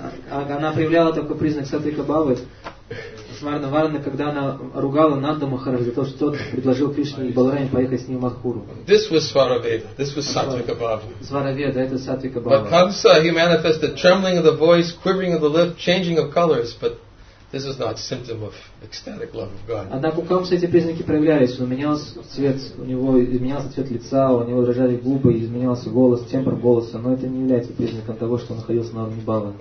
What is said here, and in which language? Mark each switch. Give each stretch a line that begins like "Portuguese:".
Russian: Она проявляла такой признак сатвика бхавы. Сварна Варна, когда она ругала Нанда Махараджа за то, что тот предложил Кришне и Баларане поехать с ним в Матхуру.
English: This was Svaraveda. This was Sattvika Bhava.
Russian: Svaraveda, это Sattvika
English: Bhava. But Kamsa, he manifested trembling of the voice, quivering of the lip, changing of colors, but this is not symptom of ecstatic love of God.
Russian: Однако у Камса эти признаки проявлялись. Он менялся цвет, у него изменялся цвет лица, у него дрожали губы, изменялся голос, тембр голоса, но это не является признаком того, что он находился на уровне бхавы.